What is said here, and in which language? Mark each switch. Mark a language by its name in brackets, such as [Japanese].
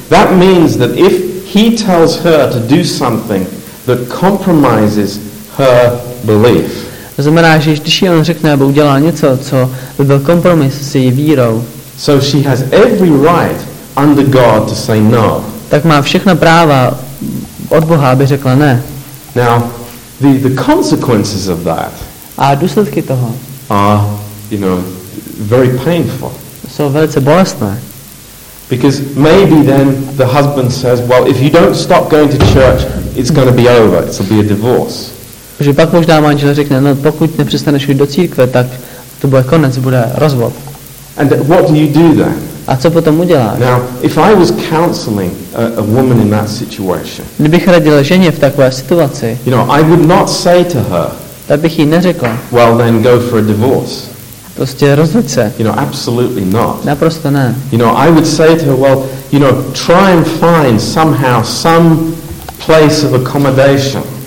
[English] That means that if he tells her to do something that compromises her belief. [Czech] To znamená, že když jí on řekne, aby udělal něco, co by byl kompromis s její vírou. [English] So she has every right under God to say no. [Czech] Tak má všechna práva od Boha, aby řekla ne. [English] Now, the consequences of that. [Czech] A důsledky toho. [English] You know, very painful. [Czech] Jsou velice bolestné. [English] Because maybe then the husband says, well, if you don't stop going to church, it's going to be over. It'll be a divorce. [Czech] Že pak možná manžel řekne, no pokud nepřestaneš jít do církve, tak to bude konec, bude rozvod. [English] And what do you do then? [Czech] A co potom uděláš? [English] Now, if I was counseling a woman in that situation. [Czech] Kdybych radil ženě v takové situaci. [English] You know, I would not say to her. [Czech] Tak bych jí neřekl. [English] Well, then go for a divorce. [Czech] Prostě rozvoď se. [English] You know, absolutely not. [Czech] Naprosto ne. [English] You know, I would say to her, well, you know, try and find somehow some place of accommodation.